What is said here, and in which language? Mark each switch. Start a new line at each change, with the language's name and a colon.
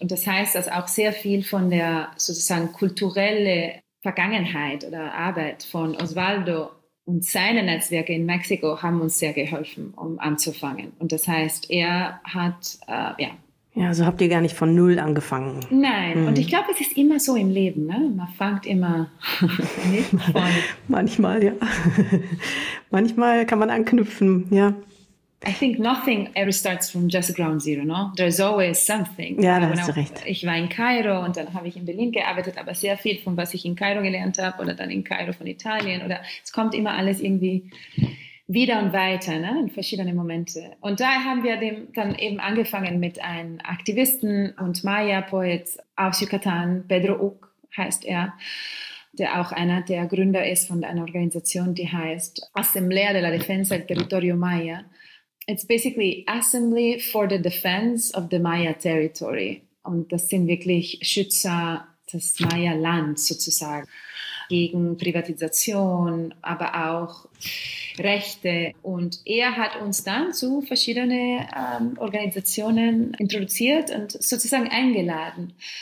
German: Und das heißt, dass auch sehr viel von der sozusagen kulturellen Vergangenheit oder Arbeit von Osvaldo und seine Netzwerke in Mexiko haben uns sehr geholfen, um anzufangen. Und das heißt, er hat, Ja, so habt ihr gar nicht von null angefangen. Nein, und ich glaube, es ist immer so im Leben, ne? Man fängt immer nicht von. Manchmal, ja. Manchmal kann man anknüpfen, ja.
English: I think nothing ever starts from just ground zero, no? There's always something.
German: Ja, da hast du recht. Ich war in Kairo und dann habe ich in Berlin gearbeitet, aber sehr viel von was ich in Kairo gelernt habe oder dann in Kairo von Italien oder es kommt immer alles irgendwie wieder und weiter, ne? In verschiedene Momente. Und da haben wir dann eben angefangen mit einem Aktivisten und Maya-Poet aus Yucatan, Pedro Uc heißt er, der auch einer der Gründer ist von einer Organisation, die heißt Asamblea de la Defensa del Territorio Maya.
English: It's basically Assembly for the Defense of the Maya Territory.
German: Und das sind wirklich Schützer des Maya-Lands sozusagen. Gegen Privatisation, aber auch Rechte. Und er hat uns dann zu verschiedenen Organisationen introduziert und sozusagen eingeladen.